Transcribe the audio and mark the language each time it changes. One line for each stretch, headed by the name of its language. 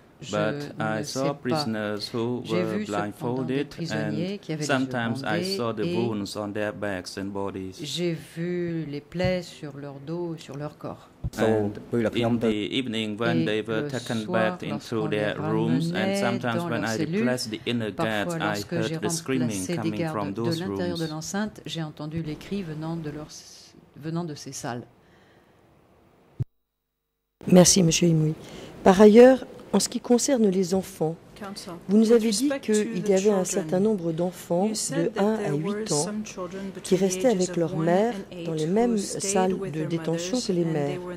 English: but I saw prisoners who were blindfolded, and sometimes I saw the wounds on their backs and bodies.
French: J'ai vu les plaies sur leur dos, sur leur corps.
English: And in the evening, when they were taken back into their rooms, and sometimes when I replaced the inner guards, I heard the screaming coming from those rooms.
French: De l'intérieur de l'enceinte, j'ai entendu les cris venant de ces salles. Merci, Monsieur Huy. Par ailleurs, en ce qui concerne les enfants, vous nous avez dit qu'il y avait un certain nombre d'enfants de 1 à 8 ans qui restaient avec leur mère dans les mêmes salles de détention que les mères.